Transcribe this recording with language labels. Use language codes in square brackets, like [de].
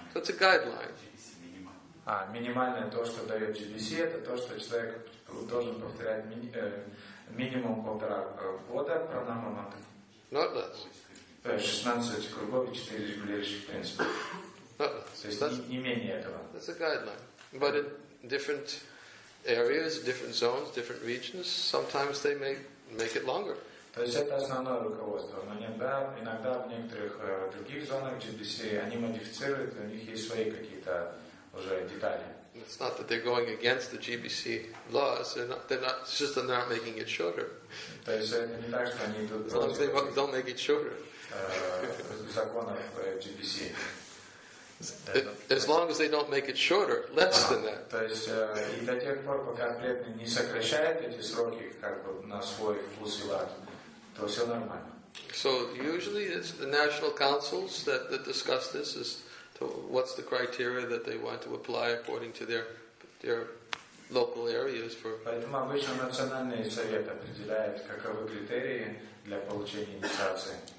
[en] So it's a guideline. [ru] Минимальное то, что дает GBC, это то, что человек должен повторять минимум полтора года пранаману. [en] Not less. [ru] 16 кругов и 4 регулирующих принципа. [en] Not less. [ru] То есть не менее этого. [en] That's a guideline. But in different areas, different zones, different regions, sometimes they may make it longer. [ru] То есть это основное руководство, но иногда в некоторых других зонах GBC они модифицируют, у них есть свои какие-то уже детали. [en] It's not that they're going against the GBC laws, they're not, it's just that they're not making it shorter. [ru] То есть это не так, что они идут... [en] As long as they don't make it shorter. [ru] Законов GBC. [en] As long as they don't make it shorter, less than that. [ru] То есть и до тех пор, пока клетки не сокращают эти сроки как бы на свой вкус и лад, то все нормально. [en] So usually it's the national councils that discuss this as to what's the criteria that they want to apply according to their local areas for. [ru] Поэтому обычно национальные советы определяют, каковы критерии для получения инициации.